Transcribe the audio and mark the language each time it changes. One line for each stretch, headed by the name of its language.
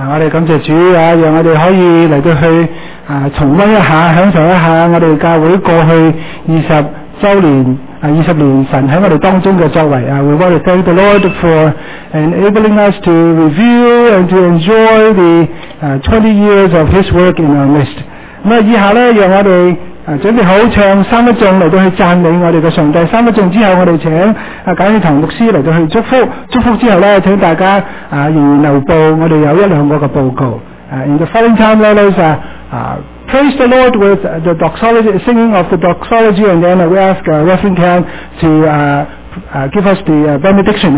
Chinese: 感謝主啊，讓我們可以來到去啊，重溫一下，享受一下我們教會過去二十年神在我們當中的作為啊。
English: We want to thank the Lord for enabling us to review and to enjoy the 20 years of His work in our midst。
Chinese: 那以下呢，讓我們準備好唱三一眾來到去讚美我們的上帝。三一眾之後，我們請簡宇堂牧師來到去祝福。祝福之後呢，請大家仍然留步，我們有一兩個的報告。
English: In the following time, let us praise the Lord with the doxology, singing of the doxology, and then we ask Reverend Ken to give us the benediction.